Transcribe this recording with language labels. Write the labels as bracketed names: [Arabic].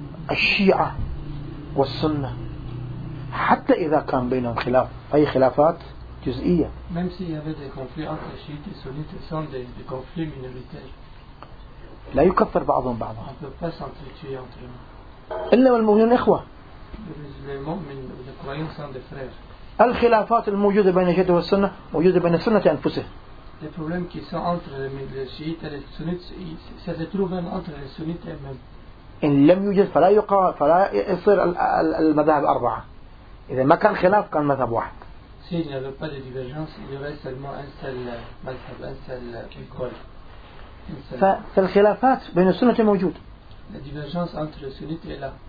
[Arabic] الشيعة والسنة حتى إذا كان بينهم خلاف أي خلافات جزئية. [French] Même s'il y avait des conflits entre chiites et sunnites, ce sont des conflits minoritaires. [Arabic] لا بعضهم بعضا. [French] On ne peut pas s'entretuer entre eux. [Arabic] إلا والمؤمنون إخوة. [French] Les mu'mins, les croyants sont des frères. [Arabic] الخلافات الموجودة بين الشيعة والسنة موجودة بين السنة أنفسها. [French] Les problèmes qui sont entre les chiites et les sunnites, ça se trouve même entre les sunnites eux-mêmes. [Arabic] إن لم يوجد فلا يقال فلا يصير المذاهب أربعة. إذا ما كان خلاف كان مذهب واحد. [French] S'il n'y avait pas de divergence, il y aurait seulement un seul mazhab, un seul école. [Arabic] فالخلافات بين السنة موجود. [French] La divergence entre les sunnites est là.